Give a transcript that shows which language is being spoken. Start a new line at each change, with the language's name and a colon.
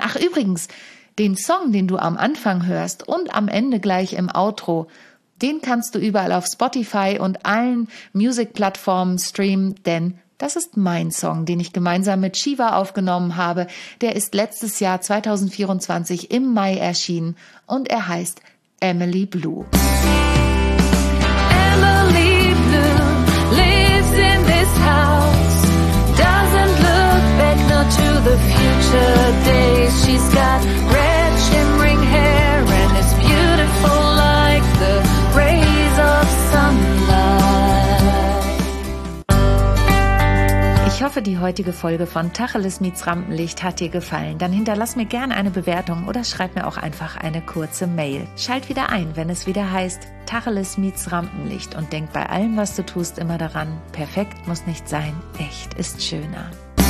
German: Ach übrigens, den Song, den du am Anfang hörst und am Ende gleich im Outro, den kannst du überall auf Spotify und allen Music-Plattformen streamen, denn das ist mein Song, den ich gemeinsam mit Shiva aufgenommen habe. Der ist letztes Jahr 2024 im Mai erschienen und er heißt Emily Blue.
English: Emily Blue lives in this house. Doesn't look back now to the future days. She's got red shimmering hair and it's beautiful like the rays of sunlight.
German: Ich hoffe, die heutige Folge von Tacheles meets Rampenlicht hat dir gefallen. Dann hinterlass mir gerne eine Bewertung oder schreib mir auch einfach eine kurze Mail. Schalt wieder ein, wenn es wieder heißt Tacheles meets Rampenlicht und denk bei allem, was du tust, immer daran, perfekt muss nicht sein, echt ist schöner.